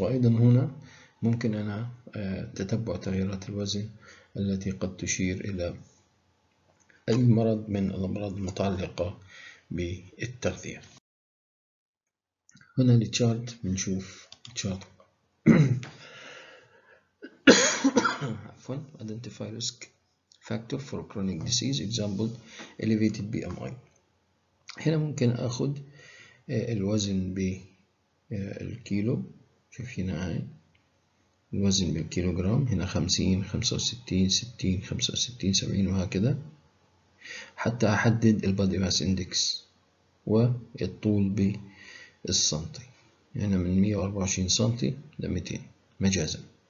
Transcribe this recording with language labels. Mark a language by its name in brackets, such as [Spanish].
[Arabic] وأيضا هنا ممكن أنا تتبع تغييرات الوزن التي قد تشير إلى أي مرض من الأمراض المتعلقة بالتغذية. هنا التشارت بنشوف تشارت عفوا [English] identify risk factor for chronic disease example elevated BMI. [Arabic] هنا ممكن اخذ الوزن بالكيلو، شوف هنا هاي الوزن بالكيلوغرام، هنا 50 65 60 65 70 وهكذا، حتى احدد البادي ماس اندكس والطول ب السنتي، يعني من 124 سنتي ل 200 مجازا.